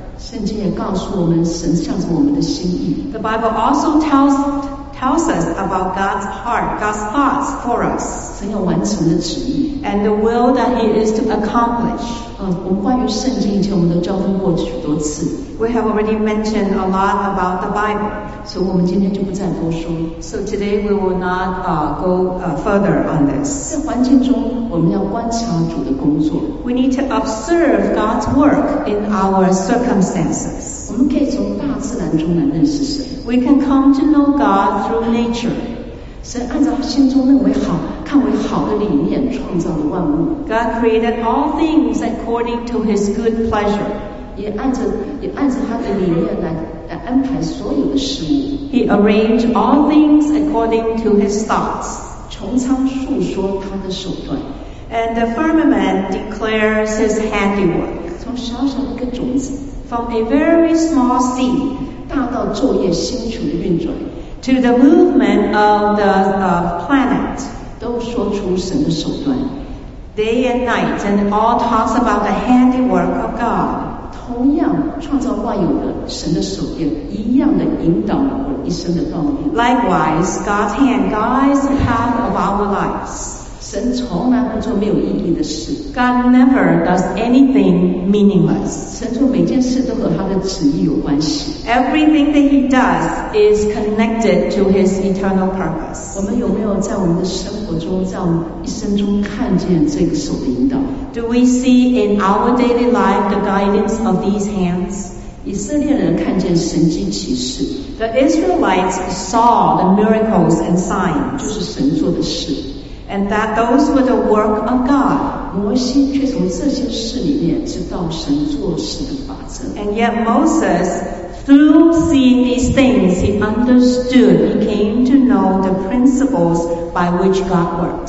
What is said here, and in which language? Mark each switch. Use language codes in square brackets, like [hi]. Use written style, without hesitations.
[zh] 圣经也告诉我们神向着我们的心意。 [en] The Bible also tells us about God's heart, God's thoughts for us. [zh] 神要完成的旨意。 [en] And the will that He is to accomplish. [zh] 我们关于圣经以前我们都交通过许多次。 [en] We have already mentioned a lot about the Bible. [zh] 所以我们今天就不再多说。 [en] So today we will not go further on this. [zh] 在环境中我们要观察主的工作。 [en] We need to observe God's work in our circumstances. [zh] 我们可以从大自然中来认识神。 [en] We can come to know God through nature. [zh] 神按照他心中认为好看为好的理念创造了万物。 [en] God created all things according to his good pleasure. [zh] 也按照他的理念来安排所有的事物。 [en] He arranged all things according to his thoughts. [zh] 穹苍述说他的手段。 [en] And the firmament declares his handiwork. [zh] 从小小的一个种子。 [en] From a very small seed. [zh] 大到昼夜星球的运转。 [en] To the movement of the planet, [zh] 都说出神的手段 [en] day and night, and all talks about the handiwork of God. [zh] 同样创造万有的神的手也一样的引导了我一生的道路 [en] Likewise, God's hand guides the path of our lives. [zh] 神从来不做没有意义的事 [en] God never does anything meaningless. [zh] 神做每件事都和他的旨意有关系。 [en] Everything that he does is connected to his eternal purpose. [zh] 我们有没有在我们的生活中，在我们一生中看见这个手的引导 [en] ？Do we see in our daily life the guidance of these hands? [zh] 以色列人看见神迹奇事。 [en] The Israelites saw the miracles and signs. [zh] 就是神做的事。 [en] And that those were the work of God. [zh] 摩西却从这些事里面知道神做事的法则。 [en] And yet Moses. Through seeing these things, he understood, he came to know the principles by which God works.